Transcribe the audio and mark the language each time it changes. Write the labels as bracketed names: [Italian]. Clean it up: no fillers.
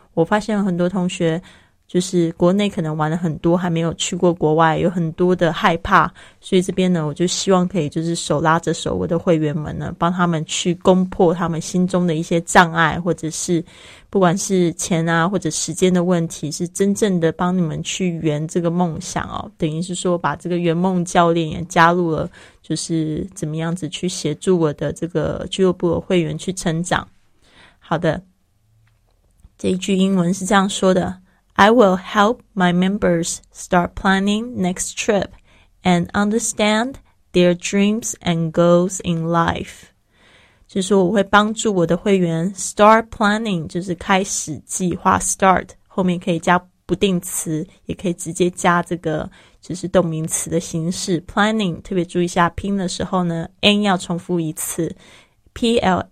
[Chinese] 我发现很多同学就是国内可能玩了很多，还没有去过国外，有很多的害怕，所以这边呢我就希望可以就是手拉着手我的会员们呢，帮他们去攻破他们心中的一些障碍，或者是不管是钱啊或者时间的问题，是真正的帮你们去圆这个梦想哦。等于是说把这个圆梦教练也加入了，就是怎么样子去协助我的这个俱乐部的会员去成长。好的，这一句英文是这样说的， [English] I will help my members start planning next trip and understand their dreams and goals in life. [Chinese] 就是我会帮助我的会员 [English] start planning, [Chinese] 就是开始计划 start, 后面可以加不定词，也可以直接加这个就是动名词的形式 planning, 特别注意一下拼的时候呢 N 要重复一次 P-L-A-N-N-I-N-G,